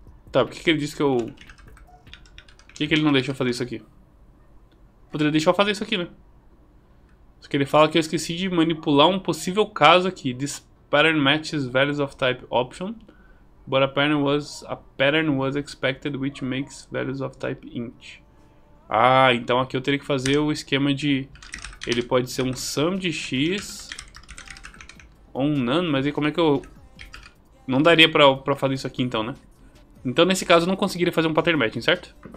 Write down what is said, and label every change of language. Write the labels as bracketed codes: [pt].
[pt] Tá, por que que ele disse que eu... Por que que ele não deixa eu fazer isso aqui? Poderia deixar eu fazer isso aqui, né? Só que ele fala que eu esqueci de manipular um possível caso aqui. [en] This pattern matches values of type option, but a pattern was expected which makes values of type int. [pt] Ah, então aqui eu teria que fazer o esquema de... Ele pode ser um sum de x ou um none, mas aí como é que eu... Não daria pra fazer isso aqui então, né? Então, nesse caso, eu não conseguiria fazer um pattern matching, certo?